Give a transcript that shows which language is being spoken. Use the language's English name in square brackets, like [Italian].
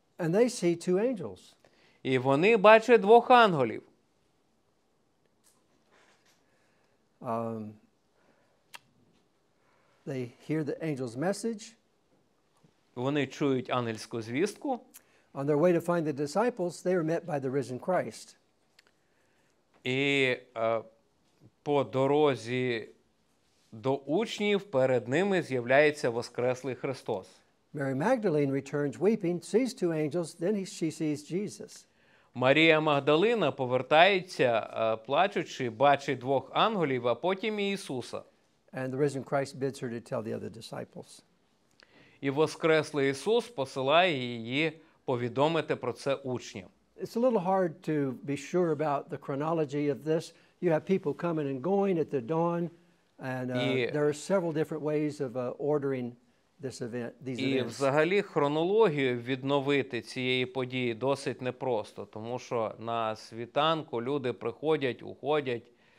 [English] And they see two angels. [Ukrainian] І вони бачать двох ангелів. [English] They hear the angel's message. [Ukrainian] Вони чують ангельську звістку. [English] On their way to find the disciples, they are met by the risen Christ. [Ukrainian] І по дорозі до учнів перед ними з'являється воскреслий Христос. [English] Mary Magdalene returns weeping, sees two angels, then she sees Jesus. [Ukrainian] Марія Магдалина повертається, плачучи, бачить двох ангелів, а потім і Ісуса. [English] And the risen Christ bids her to tell the other disciples. [Ukrainian] І воскреслий Ісус посилає її повідомити про це учням. [English] It's a little hard to be sure about the chronology of this. You have people coming and going at the dawn, and there are several different ways of ordering this event, these events. [Ukrainian] І взагалі хронологію відновити цієї події досить непросто, тому що на світанку люди приходять, уходять.